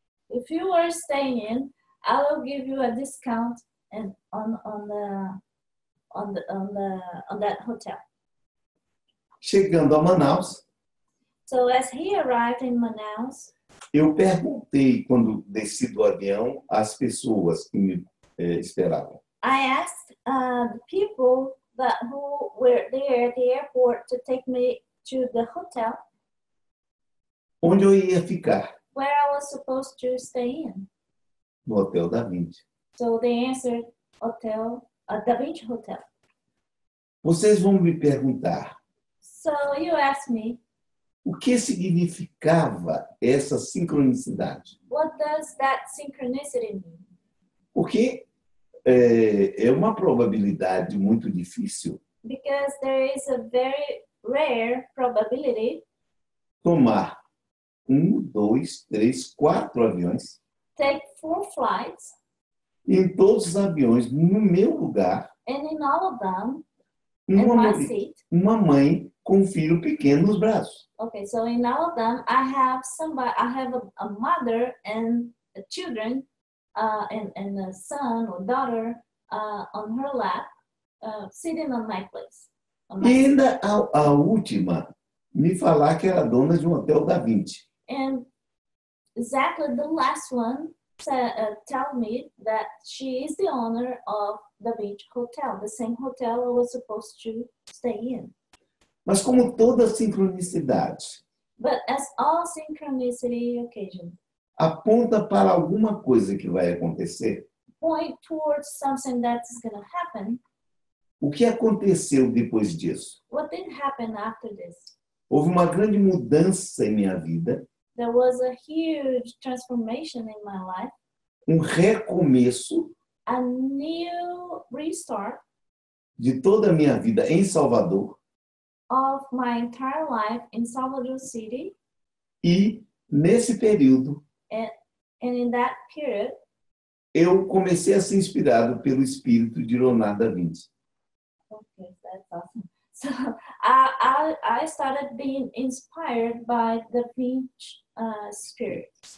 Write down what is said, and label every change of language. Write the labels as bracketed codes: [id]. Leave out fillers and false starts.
[en] If you are staying in, I will give you a discount on that hotel. [pt] Chegando a Manaus. [en] So as he arrived in Manaus. [pt] Eu perguntei quando desci do avião às pessoas que me esperavam. [en] I asked the people that who were there at the airport to take me to the hotel. [pt] Onde eu ia ficar? [en] Where I was supposed to stay in. [pt] No Hotel Da Vinci. [en] So they answered Hotel Da Vinci Hotel. [pt] Vocês vão me perguntar. [en] So you asked me. [pt] O que significava essa sincronicidade? [en] What does that synchronicity mean? [pt] Porque é uma probabilidade muito difícil. [en] Because there is a very rare probability. [pt] Tomar 1, 2, 3, 4 aviões. [en] Take 4 flights. [pt] Em todos os aviões, no meu lugar. [en] And in all of them, in my seat. [pt] Uma mãe com um filho pequeno nos braços. [en] Okay, so in all of them, I have a mother and a children, and a son or daughter on her lap, sitting on my place. [pt] E ainda a última, me falar que era dona de um Hotel Da Vinci. [en] And exactly the last one tell me that she is the owner of the Beach Hotel, the same hotel I was supposed to stay in. [pt] Mas como toda sincronicidade. [en] But as all synchronicity occasion. [pt] Aponta para alguma coisa que vai acontecer. [en] Point towards something that's going to happen. [pt] O que aconteceu depois disso? [en] What did happen after this? [pt] Houve uma grande mudança em minha vida. [en] There was a huge transformation in my life. [pt] Um recomeço. [en] A new restart. [pt] De toda a minha vida em Salvador. [en] Of my entire life in Salvador City. [pt] E nesse período. [en] And in that period. [pt] Eu comecei a ser inspirado pelo espírito de Leonardo da Vinci. [en] Okay, that's awesome. So I started being inspired by the Vinci spirit.